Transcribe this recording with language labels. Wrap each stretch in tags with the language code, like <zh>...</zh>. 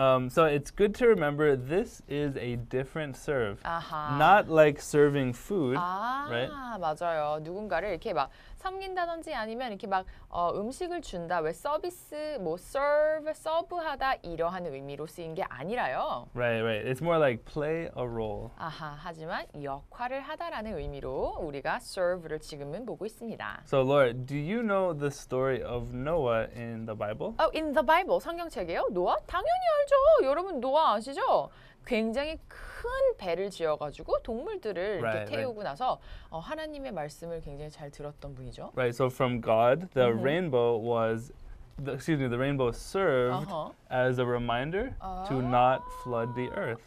<en>So it's good to remember this is a different serve. Not like serving food, right?</en> <ko>맞아요. 누군가를 이렇게 막 섬긴다든지 아니면 이렇게 막 음식을 준다. 왜 서비스, 뭐 serve, 서브하다 이러한 의미로 쓰인 게 아니라요.</ko> <en>Right, right. It's more like play a role.</en> <ko>하지만 역할을 하다라는 의미로 우리가 serve를 지금은 보고 있습니다.</ko> <en>So Laura, do you know the story of Noah in the Bible? Oh, in the Bible,</en> <ko>성경책이요? 노아? 당연히 알죠. 여러분 노아 아시죠? 굉장히 큰 배를 지어가지고 동물들을</ko> <en>right,</en> <ko>이렇게 태우고</ko> <en>right.</en> <ko>나서 하나님의 말씀을 굉장히 잘 들었던 분이죠.</ko> <en>Right, so from God, the rainbow was, the, excuse me, the rainbow served as a reminder to not flood the earth.</en>